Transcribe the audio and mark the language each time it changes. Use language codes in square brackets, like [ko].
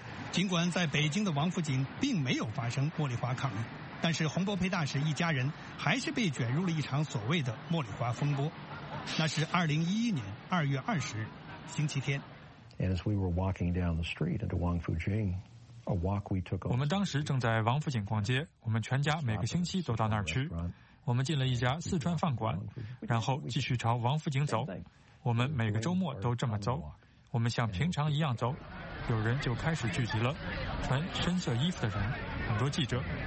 [zh] 尽管在北京的王府井并没有发生茉莉花抗议，但是洪博培大使一家人还是被卷入了一场所谓的茉莉花风波。那是2011年2月20日星期天。 [en] And as we were walking down the street into Wang Fu Jing, [zh] 我们当时正在王府井逛街，我们全家每个星期都到那儿去。我们进了一家四川饭馆，然后继续朝王府井走。我们每个周末都这么走，我们像平常一样走。有人就开始聚集了，穿深色衣服的人，很多记者。